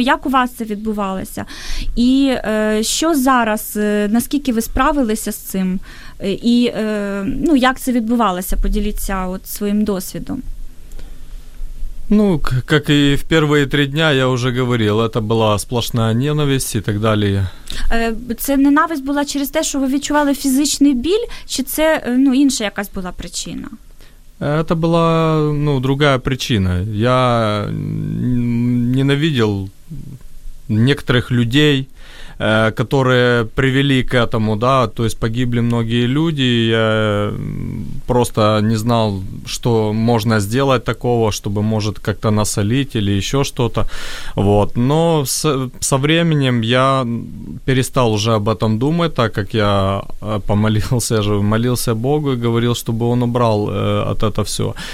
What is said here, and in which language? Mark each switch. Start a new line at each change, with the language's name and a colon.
Ukrainian: Як у вас це відбувалося? І що зараз, наскільки ви справилися з цим? І як це відбувалося? Поділіться своїм досвідом.
Russian: Ну, как и в первые три дня, я уже говорил, это была сплошная ненависть и так далее.
Ukrainian: Це ненависть була через те, що ви відчували фізичний біль, чи це, інша якась була причина?
Russian: Это была, другая причина. Я ненавидел некоторых людей, которые привели к этому, да, то есть погибли многие люди, я просто не знал, что можно сделать такого, чтобы, может, как-то насолить или еще что-то, вот, но со временем я перестал уже об этом думать, так как я молился Богу и говорил, чтобы он убрал от этого все.